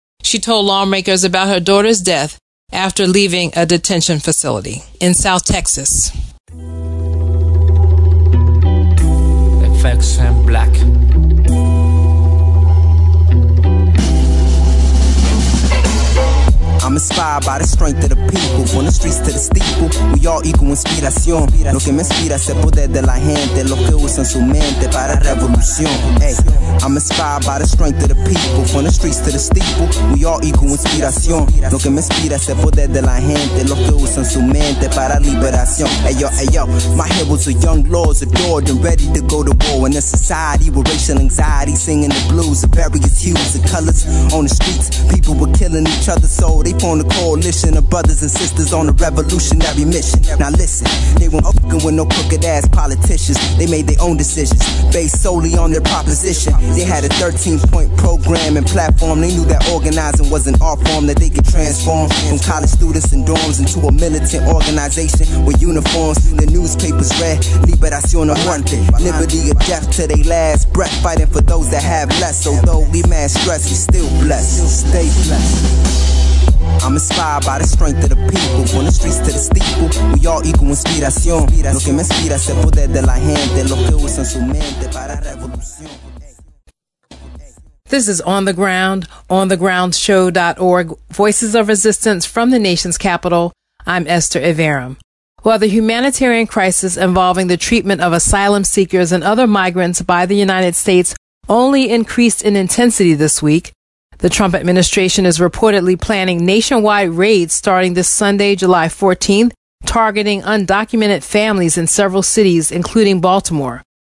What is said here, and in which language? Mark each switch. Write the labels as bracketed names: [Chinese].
[English] She told lawmakers about her daughter's death after leaving a detention facility in South Texas. FX and Black. I'm inspired by the strength of the people. From the streets to the steeple, we all equal inspiración. [Spanish] Lo que me inspira es el poder de la gente, lo que usa en su mente para revolución. [English] Hey. I'm inspired by the strength of the people. From the streets to the steeple, we all equal inspiración. [Spanish] Lo que me inspira es el poder de la gente, lo que usa en su mente para liberación. [English] Ayo, hey, ayo, hey, my heroes are young lords, adored and ready to go to war. In a society with racial anxiety, singing the blues of various hues and colors. On the streets, people were killing each other, so they formed a coalition of brothers and sisters on a revolutionary mission. Now listen, they weren't fucking with no crooked ass politicians. They made their own decisions based solely on their proposition. They had a 13-point program and platform. They knew that organizing was an art form that they could transform from college students and dorms into a militant organization with uniforms. The newspapers read Liberación Aguante, liberty of death to their last breath, fighting for those that have less. Although we mad stress, we still blessed. Stay blessed. I'm inspired by the strength of the people. From the streets to the steeple, we all equal inspiración. [Spanish] Lo que me inspira es el poder de la gente, lo que usa en su mente para revolución. [English] This is On the Ground, onthegroundshow.org, Voices of Resistance from the nation's capital. I'm Esther Ivarum. While the humanitarian crisis involving the treatment of asylum seekers and other migrants by the United States only increased in intensity this week, the Trump administration is reportedly planning nationwide raids starting this Sunday, July 14th, targeting undocumented families in several cities, including Baltimore.